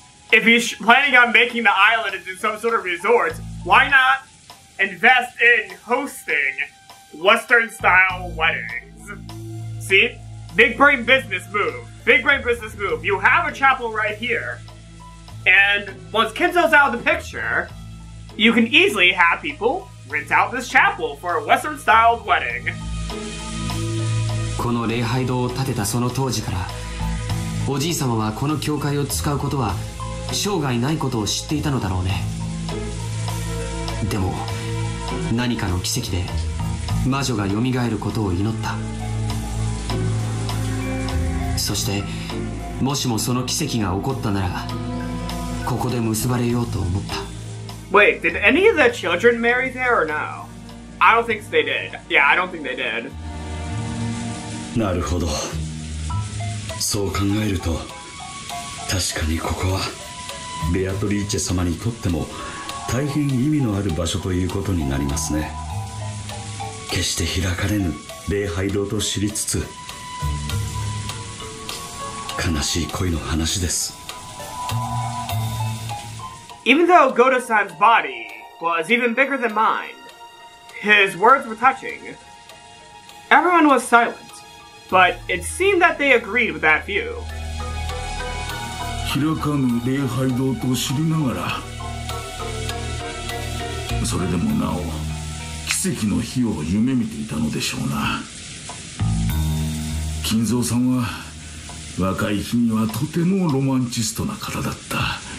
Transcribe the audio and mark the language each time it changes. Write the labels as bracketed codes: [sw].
[en] If he's planning on making the island into some sort of resort, why notinvest in hosting Western-style weddings. See? Big brain business move. You have a chapel right here. And once Kinzo's out of the picture, you can easily have people rent out this chapel for a Western-style wedding. [ja] この礼拝堂を建てたその当時から、おじい様はこの教会を使うことは生涯ないことを知っていたのだろうね。でも、何かの奇跡で魔女が蘇ることを祈った。そしてもしもその奇跡が起こったなら、ここで結ばれようと思った。 [en] Wait, did any of the children marry there or no? I don't think they did. Yeah, I don't think they did. [ja] なるほど。そう考えると確かにここはベアトリーチェ様にとっても大変意味のある場所ということになりますね。決して開かれぬ礼拝堂と知りつつ、悲しい恋の話です。 [en] Even though Goto-san's body was even bigger than mine, his words were touching. Everyone was silent, but it seemed that they agreed with that view. [ja] 開かぬ礼拝堂と知りながら、それでもなお奇跡の日を夢見ていたのでしょうな。金蔵さんは若い日にはとてもロマンチストな方だった。